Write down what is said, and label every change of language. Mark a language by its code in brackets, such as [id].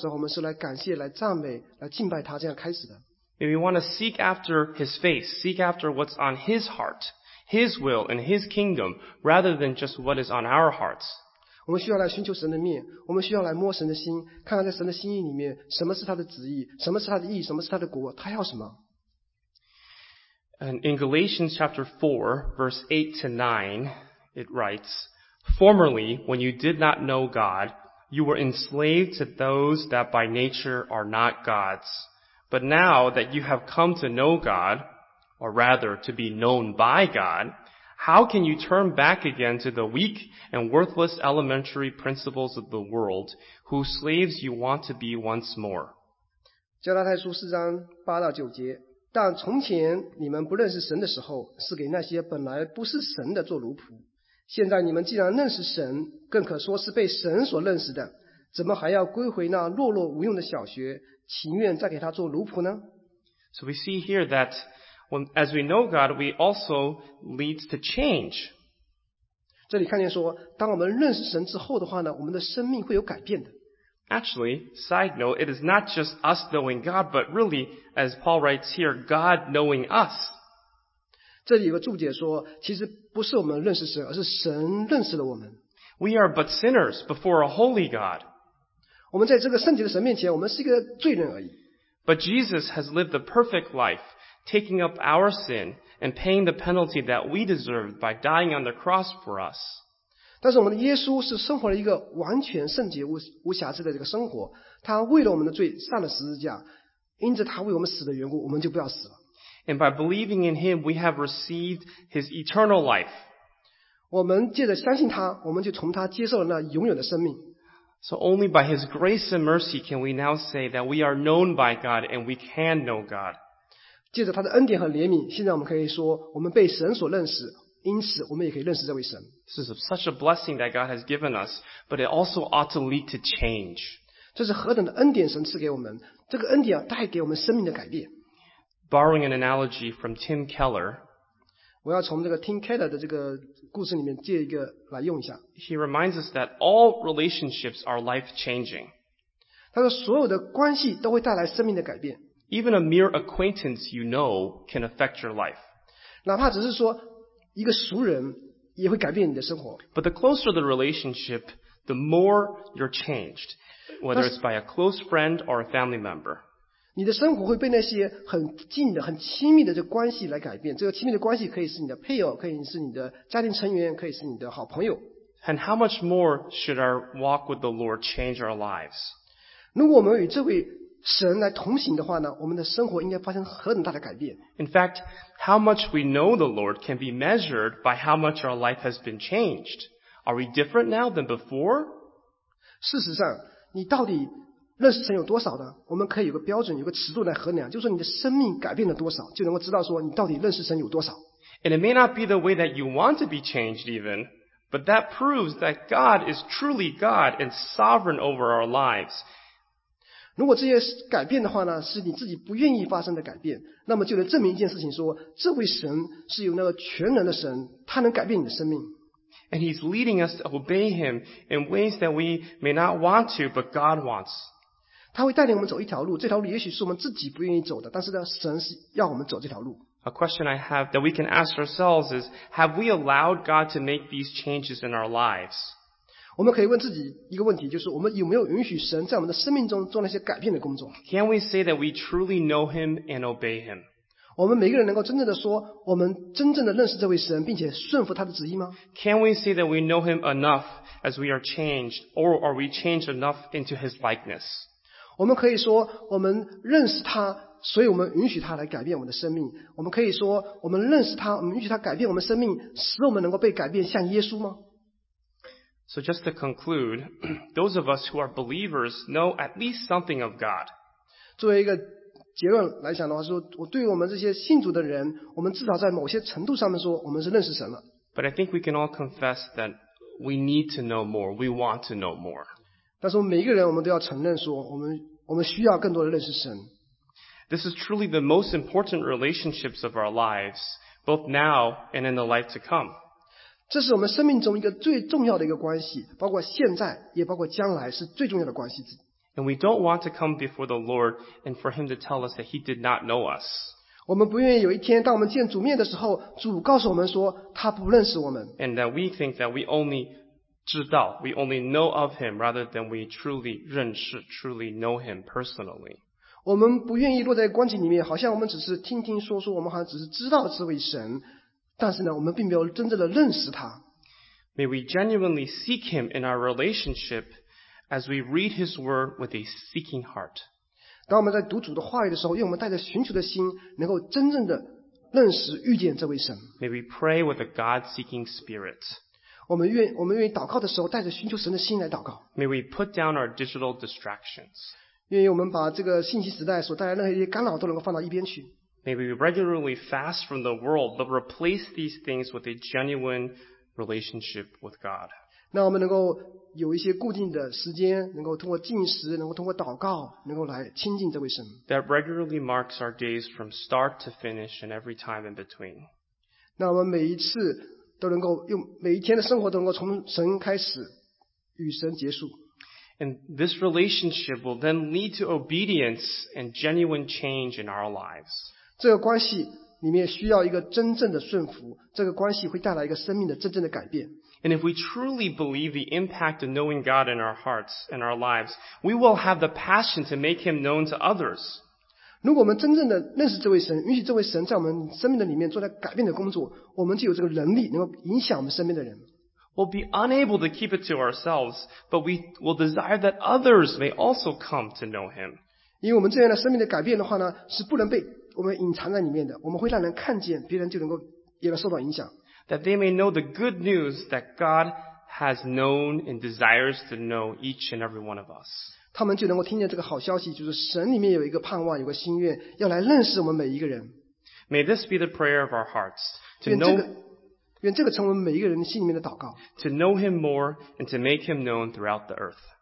[zh] 如果我们来到神面前来，我们祷告的时候，我们是来感谢、来赞美、来敬拜他，这样开始的。 [en] May we want to seek after His face, seek after what's on His heart, His will, and His kingdom, rather than just what is on our hearts. [zh] 我们需要来寻求神的面，我们需要来摸神的心，看看在神的心意里面，什么是他的旨意，什么是他的意义，什么是他的国，他要什么。 [en] And in Galatians chapter 4, verse 8 to 9, it writes, "Formerly, when you did not know God, you were enslaved to those that by nature are not God's. But now that you have come to know God, or rather to be known by God, how can you turn back again to the weak and worthless elementary principles of the world, whose slaves you want to be once more?" [zh] 加拉太书四章八到九节，但从前你们不认识神的时候，是给那些本来不是神的做奴仆。现在你们既然认识神，更可说是被神所认识的，怎么还要归回那懦弱无用的小学，情愿再给他做奴仆呢？ [en] So we see here that when, as we know God, we also leads to change. [zh] 这里看见说，当我们认识神之后的话呢，我们的生命会有改变的。 [en] Actually, side note, it is not just us knowing God, but really, as Paul writes here, God knowing us. [zh] 这里有个注解说，其实不是我们认识神，而是神认识了我们。 [en] We are but sinners before a holy God. [zh] 我们在这个圣洁的神面前，我们是一个罪人而已。 [en] But Jesus has lived the perfect life, taking up our sin and paying the penalty that we deserved by dying on the cross for us. [zh] 但是我们的耶稣是生活了一个完全圣洁 无瑕疵的这个生活，他为了我们的罪上了十字架，因着他为我们死的缘故，我们就不要死了。 [en] And by believing in him, we have received his eternal life. [zh] 我们借着相信他，我们就从他接受了那永远的生命。 [en] So only by his grace and mercy can we now say that we are known by God and we can know God. [zh] 借着他的恩典和怜悯，现在我们可以说我们被神所认识，因此我们也可以认识这位神。 [en] This is such a blessing that God has given us, but it also ought to lead to change. [zh] 这是何等的恩典神赐给我们，这个恩典带给我们生命的改变。 [en] Borrowing an analogy from Tim Keller, [zh] 我要从这个 Tim Keller 的这个故事里面借一个来用一下。 [en] He reminds us that all relationships are life-changing. [zh] 他说所有的关系都会带来生命的改变。 [en] Even a mere acquaintance you know can affect your life. [zh] 哪怕只是说一个熟人也会改变你的生活。 [en] But the closer the relationship, the more you're changed, whether it's by a close friend or a family member. [zh] 你的生活会被那些很近的、很亲密的这关系来改变。这个亲密的关系可以是你的配偶，可以是你的家庭成员，可以是你的好朋友。 [en] And how much more should our walk with the Lord change our lives? [zh] 如果我们与这位神来同行的话呢，我们的生活应该发生何等大的改变。 [en] In fact, how much we know the Lord can be measured by how much our life has been changed. Are we different now than before? [zh] 事实上，你到底认识神有多少呢？我们可以有个标准，有个尺度来衡量，就是你的生命改变了多少，就能够知道说你到底认识神有多少。 [en] And it may not be the way that you want to be changed even, but that proves that God is truly God and sovereign over our lives. [zh] 如果这些改变的话呢，是你自己不愿意发生的改变，那么就能证明一件事情，说这位神是有那个全能的神，他能改变你的生命。 [en] And he's leading us to obey him in ways that we may not want to, but God wants. [zh] 他会带领我们走一条路，这条路也许是我们自己不愿意走的，但是呢，神是要我们走这条路。 [en] A question I have that we can ask ourselves is, have we allowed God to make these changes in our lives? [zh] 我们可以问自己一个问题，就是我们有没有允许神在我们的生命中做那些改变的工作？ [en] Can we say that we truly know him and obey him? [zh] 我们每个人能够真正的说我们真正的认识这位神，并且顺服他的旨意吗？ [en] Can we say that we know him enough as we are changed, or are we changed enough into his likeness? [zh] 我们可以说我们认识他，所以我们允许他来改变我们的生命。我们可以说我们认识他，我们允许他改变我们生命，使我们能够被改变像耶稣吗？ [en] So just to conclude, those of us who are believers know at least something of God. [zh] 作为一个结论来讲的话，说我对于我们这些信主的人，我们至少在某些程度上面说我们是认识神了。 [en] But I think we can all confess that we need to know more. We want to know more. [zh] 但是我们每一个人，我们都要承认说，我们需要更多的认识神。 [en] This is truly the most important relationships of our lives, both now and in the life to come. [zh] 这是我们生命中一个最重要的一个关系，包括现在也包括将来是最重要的关系。 [en] And we don't want to come before the Lord and for him to tell us that he did not know us. [zh] 我们不愿意有一天当我们见主面的时候，主告诉我们说他不认识我们。 [en] And that we think that we only [zh] 知道 [en] we only know of him rather than we truly [zh] 认识 [en] truly know him personally. [zh] 我们不愿意落在光景里面，好像我们只是听听说说，我们好像只是知道这位神，但是呢，我们并没有真正的认识他。 [en] May we genuinely seek him in our relationship as we read his word with a seeking heart. [zh] 当我们在读主的话语的时候，愿我们带着寻求的心，能够真正的认识遇见这位神。 [en] May we pray with a God-seeking spirit. [zh] 我们愿意祷告的时候，带着寻求神的心来祷告。 [en] May we put down our digital distractions. [zh] 愿意我们把这个信息时代所带来的那些干扰都能够放到一边去。 [en] May we regularly fast from the world, but replace these things with a genuine relationship with God. [zh] 那我们能够有一些固定的时间，能够通过禁食，能够通过祷告，能够来亲近这位神。 [en] That regularly marks our days from start to finish and every time in between. [zh] 那我们每一次都能够用每一天的生活都能够从神开始，与神结束。 [en] And this relationship will then lead to obedience and genuine change in our lives. [zh] 这个关系里面需要一个真正的顺服，这个关系会带来一个生命的真正的改变。 [en] And if we truly believe the impact of knowing God in our hearts and our lives, we will have the passion to make him known to others. [zh] 如果我们真正的认识这位神，允许这位神在我们生命的里面做了改变的工作，我们就有这个能力能够影响我们身边的人。 [en] We'll be unable to keep it to ourselves, but we will desire that others may also come to know him. [zh] 因为我们这样的生命的改变的话呢，是不能被我们隐藏在里面的，我们会让人看见，别人就能够也能受到影响。 [en] That they may know the good news that God has known and desires to know each and every one of us. [zh] 他们就能够听见这个好消息，就是神里面有一个盼望，有个心愿，要来认识我们每一个人。 [en] May this be the prayer of our hearts to know. [zh] 愿这个成为每一个人心里面的祷告。 [en] To know Him more and to make Him known throughout the earth.